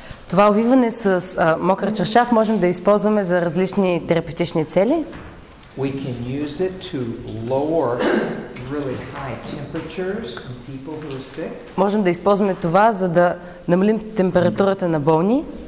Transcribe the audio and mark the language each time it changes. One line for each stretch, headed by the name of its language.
Bulgarian: Това увиване с мокър чершав можем да използваме за различни терапевтични цели.
English: We can use it to lower really high temperatures in people who are sick.
Bulgarian: Можем да използваме това, за да намалим температурата на болни.